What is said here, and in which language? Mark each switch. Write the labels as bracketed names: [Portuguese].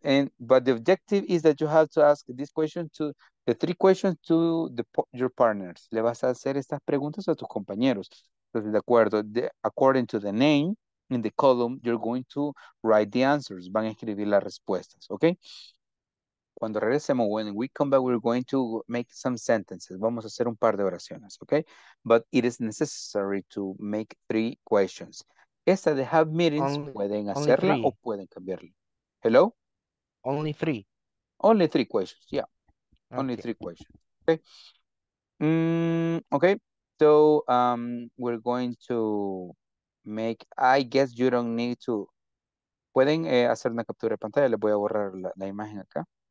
[English] And but the objective is that you have to ask this question to the three questions to the your partners. [Spanish] Le vas a hacer estas preguntas a tus compañeros. Entonces, de acuerdo, [English] the, according to the name in the column, you're going to write the answers. [Spanish] Van a escribir las respuestas. [English] Okay. [Spanish] Cuando regresemos, [English] when we come back, we're going to make some sentences. [Spanish] Vamos a hacer un par de oraciones, [English] okay? But it is necessary to make three questions. [Spanish] Esta de [English] have meetings, only, [Spanish] pueden hacerla o pueden cambiarla. [English] Hello? Only three. Only three questions, yeah. Okay. Only three questions, okay? Okay, so we're going to make, I guess you don't need to, [Spanish] pueden hacer una captura de pantalla, les voy a borrar la imagen acá.